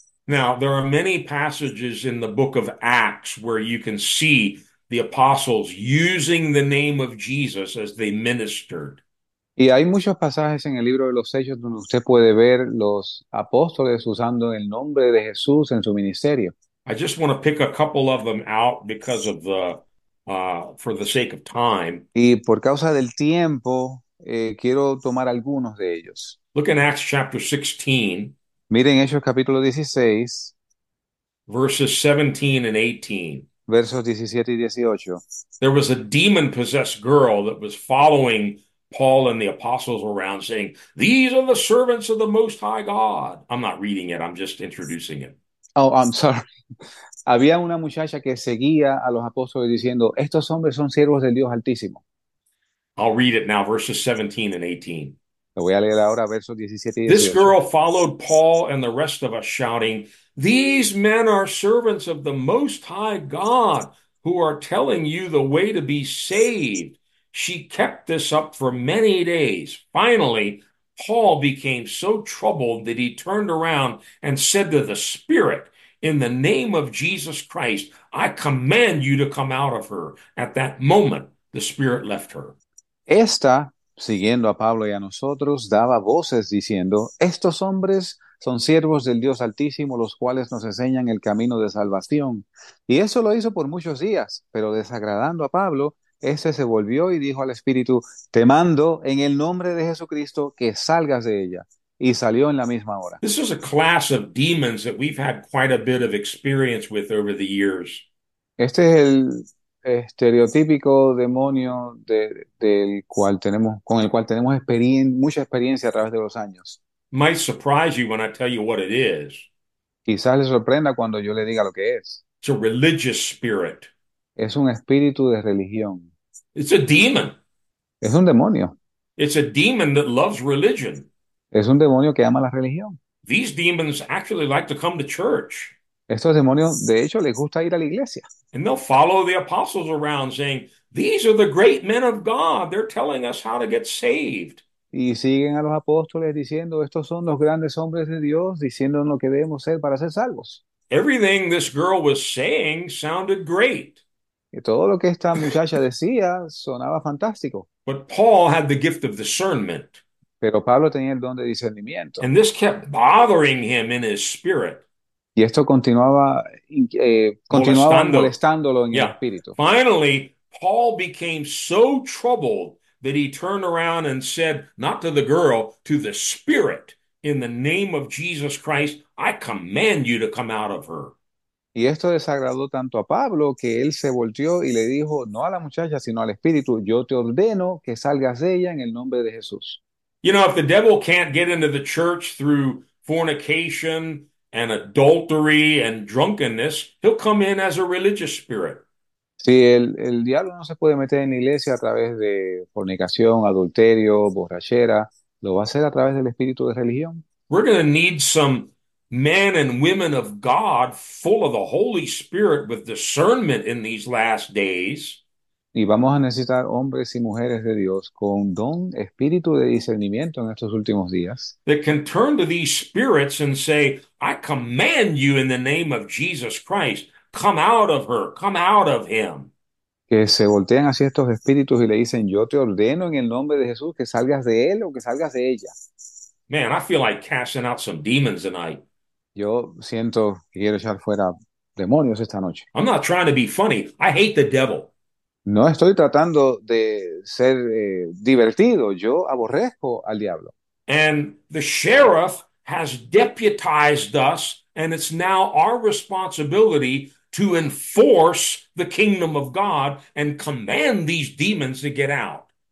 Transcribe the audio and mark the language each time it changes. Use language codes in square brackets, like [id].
[en] Now, there are many passages in the book of Acts where you can see the apostles using the name of Jesus as they ministered. [es] Y hay muchos pasajes en el libro de los Hechos donde usted puede ver los apóstoles usando el nombre de Jesús en su ministerio. [en] I just want to pick a couple of them out because of the for the sake of time. [es] Y por causa del tiempo, quiero tomar algunos de ellos. [en] Look in Acts chapter 16. [es] Miren Hechos capítulo 16, [en] Verses 17 and 18. [es] versos 17 y 18. [en] There was a demon-possessed girl that was following Paul and the apostles around, saying, "These are the servants of the Most High God." I'm not reading it, I'm just introducing it. Oh, I'm sorry. [es] Había una muchacha que seguía a los apóstoles diciendo, estos hombres son siervos del Dios Altísimo. [en] I'll read it now, verses 17 and 18. [es] Lo voy a leer ahora, versos 17 y [en] This [es] 18. [en] girl followed Paul and the rest of us, shouting, "These men are servants of the Most High God who are telling you the way to be saved." She kept this up for many days. Finally, Paul became so troubled that he turned around and said to the Spirit, "In the name of Jesus Christ, I command you to come out of her." At that moment, the Spirit left her. [es] Esta, siguiendo a Pablo y a nosotros, daba voces diciendo, estos hombres son siervos del Dios Altísimo, los cuales nos enseñan el camino de salvación. Y eso lo hizo por muchos días, pero desagradando a Pablo, éste se volvió y dijo al Espíritu, te mando en el nombre de Jesucristo que salgas de ella. Y salió en la misma hora. [en] This is a class of demons that we've had quite a bit of experience with over the years. [es] Este es el estereotípico demonio del cual tenemos con el cual tenemos mucha experiencia a través de los años. [en] Might surprise you when I tell you what it is. [es] Quizás le sorprenda cuando yo le diga lo que es. [en] It's a religious spirit. [es] Es un espíritu de religión. [en] It's a demon. [es] Es un demonio. [en] It's a demon that loves religion. [es] Es un demonio que ama la religión. [en] These demons actually like to come to church. [es] Estos demonios, de hecho, les gusta ir a la iglesia. [en] And they'll follow the apostles around saying, "These are the great men of God. They're telling us how to get saved." [es] Y siguen a los apóstoles diciendo, estos son los grandes hombres de Dios, diciendo lo que debemos ser para ser salvos. [en] Everything this girl was saying sounded great. [es] Y todo lo que esta muchacha decía sonaba fantástico. [en] But Paul had the gift of discernment. [es] Pero Pablo tenía el don de discernimiento. [en] And this kept bothering him in his spirit. [es] Y esto continuaba Molestando. molestándolo en el [en] Yeah. [es] espíritu. [en] Finally, Paul became so troubled that he turned around and said, not to the girl, to the spirit, "In the name of Jesus Christ, I command you to come out of her." [es] Y esto desagradó tanto a Pablo que él se volteó y le dijo, no a la muchacha, sino al Espíritu, yo te ordeno que salgas de ella en el nombre de Jesús. [en] You know, if the devil can't get into the church through fornication and adultery and drunkenness, he'll come in as a religious spirit. [es] Si el diablo no se puede meter en la iglesia a través de fornicación, adulterio, borrachera, lo va a hacer a través del espíritu de religión. [en] We're going to need some men and women of God full of the Holy Spirit with discernment in these last days. [es] Y vamos a necesitar hombres y mujeres de Dios con don, espíritu de discernimiento en estos últimos días. [en] That can turn to these spirits and say, "I command you in the name of Jesus Christ, come out of her, come out of him." [es] Que se voltean hacia estos espíritus y le dicen, yo te ordeno en el nombre de Jesús que salgas de él o que salgas de ella. [en] Man, I feel like casting out some demons tonight. [es] Yo siento que quiero echar fuera demonios esta noche. [en] I'm not trying to be funny. I hate the devil. [es] No estoy tratando de ser divertido, yo aborrezco al diablo. [en] And the sheriff has deputized us, and it's now our responsibility to enforce the kingdom of God and command these demons to get out.